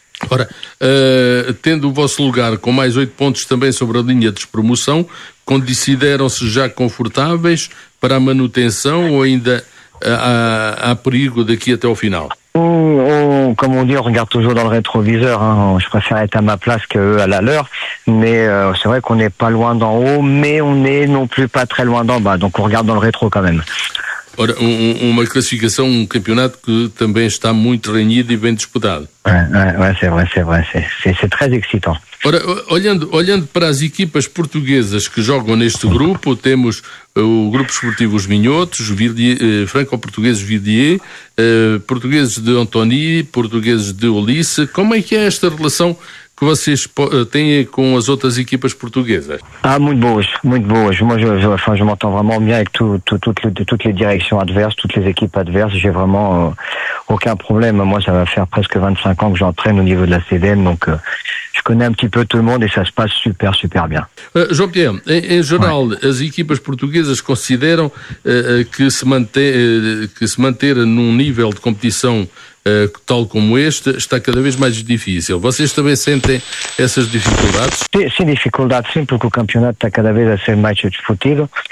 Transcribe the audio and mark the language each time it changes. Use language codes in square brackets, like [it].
[pt] Ora, tendo o vosso lugar com mais 8 pontos também sobre a linha de promoção, consideram-se já confortáveis para a manutenção ou ainda há perigo daqui até ao final? [fr] Comme on dit, on regarde toujours dans le rétroviseur, hein. Je préfère être à ma place qu'eux à la leur, mais c'est vrai qu'on n'est pas loin d'en haut, mais on n'est non plus pas très loin d'en bas, donc on regarde dans le rétro quand même. [pt] Ora, uma classificação, um campeonato que também está muito reunido e bem disputado. [fr] C'est très excitant. [pt] Ora, olhando para as equipas portuguesas que jogam neste grupo, temos o Grupo Esportivo Os Vinhotos, Franco-Portugueses Vidier, Portugueses de Antony, Portugueses de Ulisse. Como é que é esta relação que vocês têm com as outras equipas portuguesas? Ah, muito boas. [fr] Eu m'entends vraiment bien avec toutes les directions adverses, toutes les équipes adverses. J'ai vraiment aucun problème. Moi, ça va faire presque 25 ans que j'entraîne au niveau de la CDM, donc je connais un petit peu tout le monde et ça se passe super, super bien. Jean-Pierre, en général, ouais. [pt] As equipas portuguesas consideram que se manter num nível de competição tal como este está cada vez mais difícil. Vocês também sentem essas dificuldades? Sim, dificuldades sim, porque o campeonato está cada vez a ser mais disputado.